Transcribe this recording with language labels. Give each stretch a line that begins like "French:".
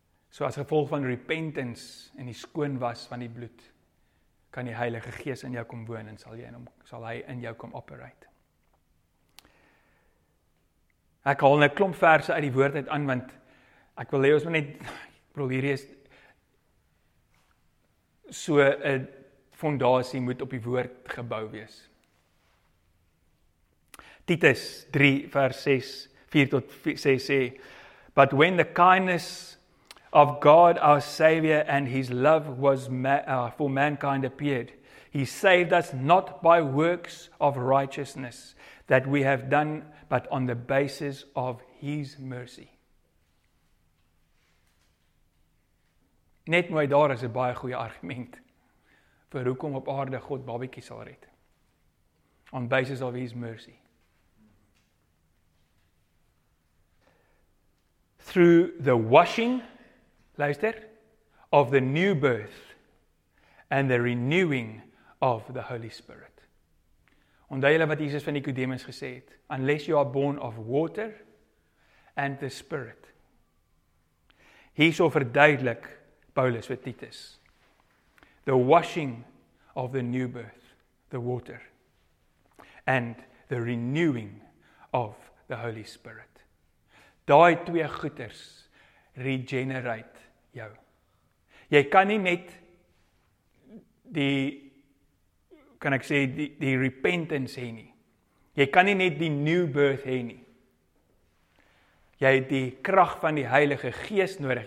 Afrikaans: So as gevolg van repentance en die skoon was van die bloed, kan die Heilige Gees in jou kom woon en sal hy in jou kom operate. Ek haal 'n klomp verse uit die woord uit aan, want ek wil hê ons moet net, ek bedoel hierdie is, so 'n fondasie moet op die woord gebou wees. Titus 3 vers 6, 4 tot 6 sê,
English: But when the kindness of God our Savior and His love was for mankind appeared, He saved us not by works of righteousness that we have done, but on the basis of His mercy.
Afrikaans: Net mooi daar is 'n baie goeie argument vir hoekom op aarde God babietjie sal red.
English: On basis of His mercy. Through the washing,
Afrikaans: luister,
English: of the new birth and the renewing of the Holy Spirit.
Afrikaans: Onthou julle wat Jesus van Nikodemus gesê het,
English: unless you are born of water and the Spirit.
Afrikaans: Hierso verduidelik Paulus vir Titus.
English: The washing of the new birth, the water, and the renewing of the Holy Spirit.
Afrikaans: Daai twee goeders regenerate jou. Jy kan nie net die kan ek sê, die repentance hê nie. Jy kan nie net die new birth hê nie. Jy het die krag van die Heilige Gees nodig.